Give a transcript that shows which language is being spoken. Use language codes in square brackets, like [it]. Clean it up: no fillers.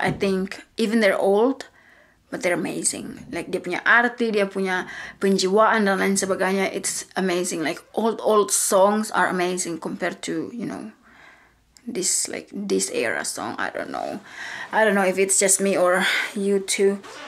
[en] I think even they're old, but they're amazing. [id] Like, dia punya arti, dia punya penjiwaan, dan lain sebagainya. [en] It's amazing. Like, old songs are amazing compared to, you know, this era song. I don't know if it's just me or you too.